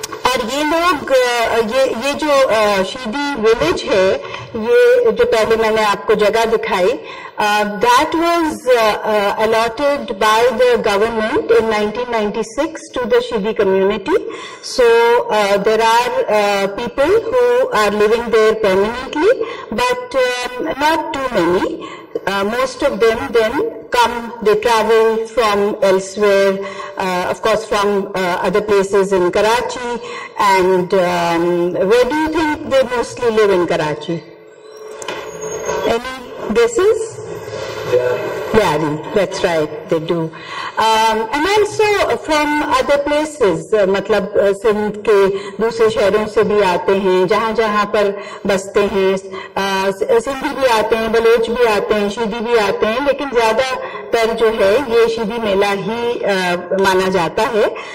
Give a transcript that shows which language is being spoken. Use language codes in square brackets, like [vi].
[hi] और ये लोग ये जो शीदी विलेज है, ये जो पहले मैंने आपको जगह दिखाई, [en] That was allotted by the government in 1996 to the Sheedi community. So there are people who are living there permanently, but not too many. Most of them then come, they travel from elsewhere, of course from other places in Karachi. And where do you think they mostly live in Karachi? Any guesses? Yari. Yari, that's right, they do. And also from other places, [hi] मतलब सिंध के दूसरे शहरों से भी आते हैं, जहां जहां पर बसते हैं. सिंधी भी आते हैं, बलोच भी आते हैं, शीदी भी आते हैं, लेकिन ज्यादातर जो है ये शीदी मेला ही माना जाता है.